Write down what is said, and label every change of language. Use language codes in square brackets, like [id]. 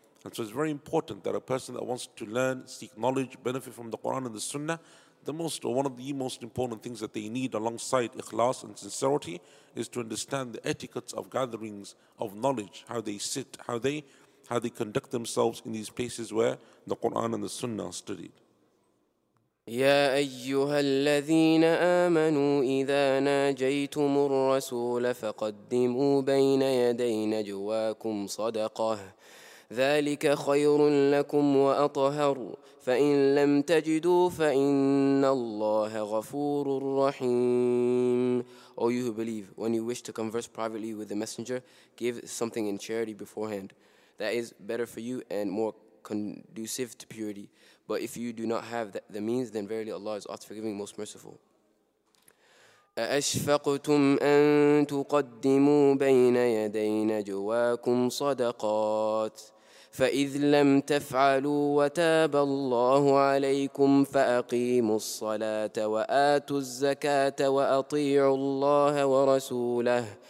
[en] And so it's very important that a person that wants to learn, seek knowledge, benefit from the Quran and the Sunnah, one of the most important things that they need alongside ikhlas and sincerity is to understand the etiquettes of gatherings of knowledge, how they sit, how they conduct themselves in these places where the Quran and the Sunnah are studied. [ar] يا أيها الذين آمنوا إذا ناجيتم الرسول فقدموا بين يدي نجواكم صدقة ذلك خير لكم وأطهر فإن لم تجدوا فإن الله غفور رحيم. [en] O you who believe, when you wish to converse privately with the messenger, give something in charity beforehand. That is better for you and more conducive to purity. But if you do not have the means, then verily Allah is all forgiving, most merciful. [ar] أَأَشْفَقْتُمْ أَن تُقَدِّمُوا بَيْنَ يَدَيْ نَجْوَاكُمْ صَدَقَاتٍ فَإِذْ لَمْ تَفْعَلُوا وَتَابَ اللَّهُ عَلَيْكُمْ فَأَقِيمُوا الصَّلَاةَ وَآتُوا الزَّكَاةَ وَأَطِيعُوا اللَّهَ وَرَسُولَهُ